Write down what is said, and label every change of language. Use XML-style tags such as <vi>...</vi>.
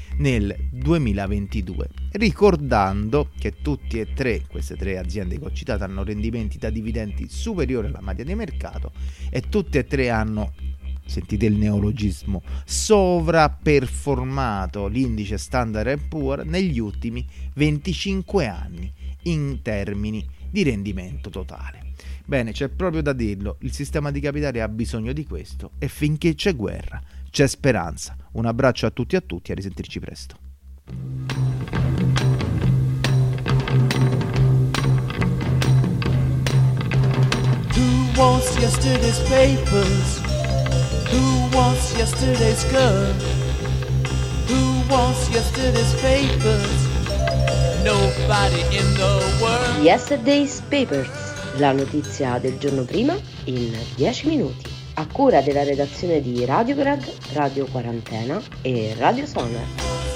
<it>nel 2022, ricordando che tutti e tre queste tre aziende che ho citato hanno rendimenti da dividendi superiori alla media di mercato e tutte e tre hanno, sentite il neologismo, sovraperformato l'indice Standard & Poor's negli ultimi 25 anni in termini di rendimento totale. Bene, c'è proprio da dirlo, il sistema di capitale ha bisogno di questo e finché c'è guerra, c'è speranza. Un abbraccio a tutti e a tutti, a risentirci presto.</it> <en>Who wants yesterday's papers? Who wants yesterday's gun? Who wants yesterday's papers? Nobody in the world.</en> <it>Yesterday's Papers, la notizia del giorno prima in 10 minuti. A cura della redazione di Radiograd, Radio Quarantena e Radio Sonar.</it>